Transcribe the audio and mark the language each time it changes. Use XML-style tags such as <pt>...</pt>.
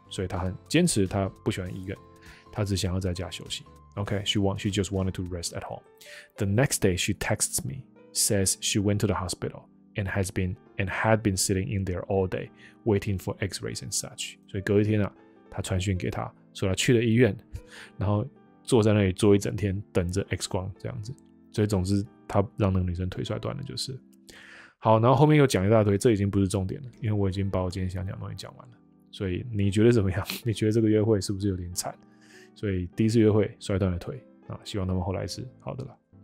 <zh>所以她很坚持她不喜欢医院，她只想要在家休息。</zh> <en>OK, she just wanted to rest at home. The next day she texts me, says she went to the hospital and had been sitting in there all day waiting for x-rays and such.</en> <zh>所以隔一天啊，她传讯给她说她去了医院，然后坐在那里坐一整天等着 X 光这样子。所以总之他让那个女生腿摔断了，就是。好，然后后面又讲一大堆，这已经不是重点了，因为我已经把我今天想讲的东西讲完了。所以你觉得怎么样？你觉得这个约会是不是有点惨？所以第一次约会摔断了腿啊，希望他们后来是好的了。</zh>